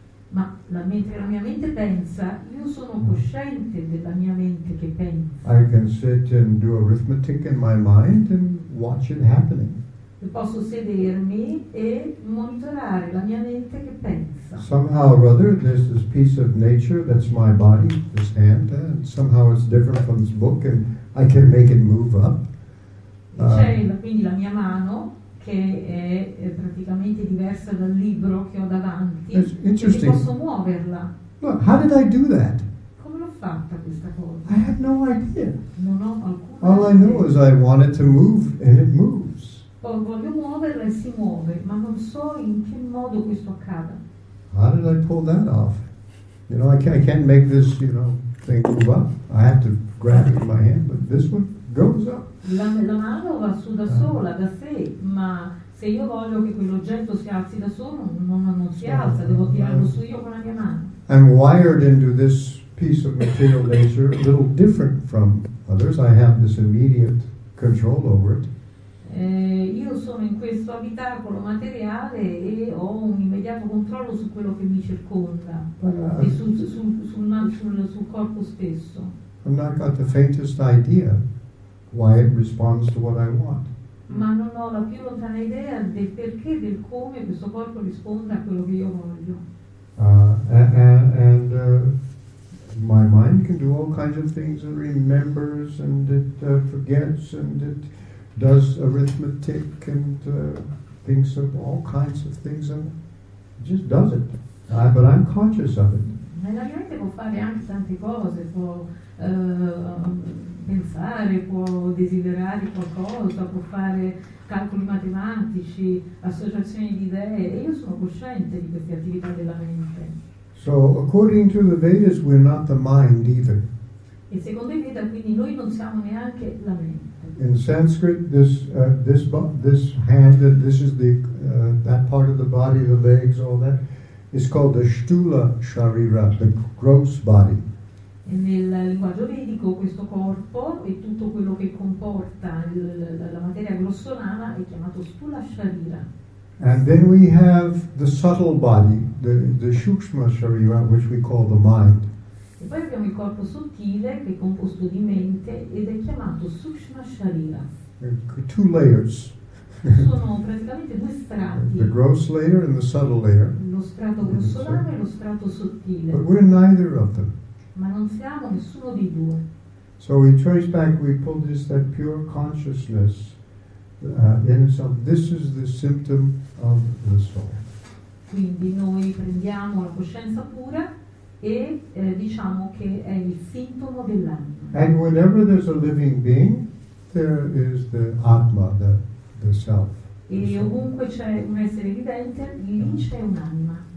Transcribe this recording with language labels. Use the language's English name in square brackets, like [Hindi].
[Italian] Ma la mente, la mia mente pensa, io sono cosciente della mia mente che pensa. [English] I can sit and do arithmetic in my mind and watch it happening. [Italian] Io posso sedermi e monitorare la mia mente che pensa. [English] Somehow or other, there's this piece of nature that's my body, this hand, and somehow it's different from this book, and I can make it move up. [Italian] C'è quindi la mia mano, che è praticamente diversa dal libro che ho davanti, che posso muoverla. [English] Look, how did I do that? [Italian] Come l'ho fatta questa cosa? [English] I have no idea. [Italian] Non ho alcuna [English] All [Italian] idea. [English] I know is I want it to move and it moves. [Italian] Poi voglio muoverla e si muove, ma non so in che modo questo accada. [English] How did I pull that off? You know, I can't make this, you know, thing move up. I have to grab it in my hand, but this one goes up. [Italian] La mano va su da sola, da sé, ma se io voglio che quell'oggetto si alzi da solo, non si alza, devo tirarlo su io con la mia mano. [English] I'm wired into this piece of material nature a little different from others. I have this immediate control over it. [Italian] Io sono in questo abitacolo materiale e ho un immediato controllo su quello che mi circonda e sul corpo stesso. [English] I've not got the faintest idea why it responds to what I want. [Italian] Ma non ho la più lontana idea del perché, del come questo corpo risponde a quello che io voglio. [English] My mind can do all kinds of things. It remembers and it forgets and it does arithmetic and thinks of all kinds of things and just does it. But I'm conscious of it. [Italian] Nella mia mente può fare anche tante cose, può pensare, può desiderare qualcosa, può fare calcoli matematici, associazioni di idee, e io sono cosciente di queste attività della mente. [English] So, according to the Vedas, we're not the mind either. [Italian] E secondo i Veda, quindi, noi non siamo neanche la mente. [English] In Sanskrit, this hand, this is the that part of the body, the legs, all that, is called the sthula sharira, the gross body. [Italian] E nel linguaggio vedico questo corpo e tutto quello che comporta la materia grossolana è chiamato sthula sharira. [English] And then we have the subtle body, the shukshma sharira, which we call the mind. [Italian] E poi abbiamo il corpo sottile che è composto di mente ed è chiamato sukshma sharira. [English] Two layers. [Italian] Sono praticamente due strati. [English] The gross layer and the subtle layer. [Italian] Lo strato grossolano e lo strato sottile. [English] But we're neither of them. [Italian] Ma non siamo nessuno dei due. [English] So we trace back, we pull this, that pure consciousness in itself. This is the symptom of the soul. [Italian] Quindi noi prendiamo la coscienza pura e diciamo che è il sintomo dell'anima. [English] And whenever there's a living being, there is the atma, the self. [Italian] E ovunque c'è un essere vivente, lì c'è un'anima.